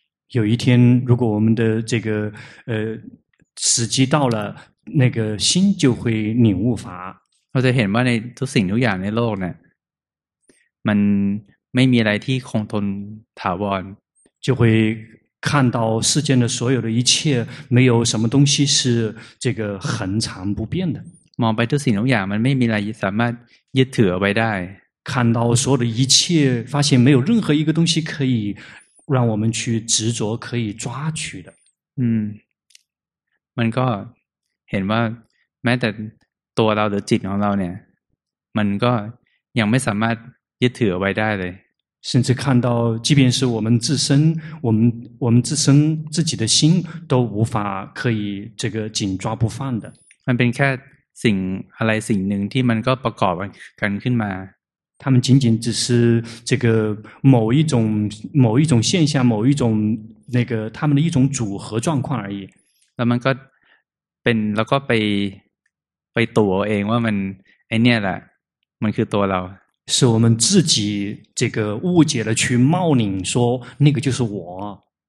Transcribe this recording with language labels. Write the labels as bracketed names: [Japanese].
[Chinese] 有一天如果我们的这个时机到了那个心就会领悟法 [Thai] เราจะเห็นว่าในทุกสิ่งทุกอย่างในโลกเนี่ยมันไม่มีอะไรที่คงทนถาวร [Chinese] 就会看到世间的所有的一切没有什么东西是这个恒常不变的 [Thai] มองไปทุกสิ่งทุกอย่างมันไม่มีอะไรสามารถยึดถือไว้ได้ [Chinese] 看到所有的一切发现没有任何一个东西可以让我们去执着可以抓取的 [Thai] มันก็เห็นว่าแม้แต่ตัวเราหรือจิตของเราเนี่ยมันก็ยังไม่สามารถยึดถือไว้ได้เลย [Chinese] 甚至看到，即便是我们自身，我们自身自己的心，都无法可以这个紧抓不放的。 [Thai] มันเป็นแค่สิ่งอะไรสิ่งหนึ่งที่มันก็ประกอบกันขึ้นมา。 [Chinese] 他们仅仅只是这个某一种现象，某一种那个他们的一种组合状况而已。 [Thai] แล้วมันก็เป็นแล้วก็ไปตัวเองว่ามันไอเนี่ยแหละมันคือตัวเรา。 [Chinese] 是我们自己这个误解了，去冒领说那个就是我。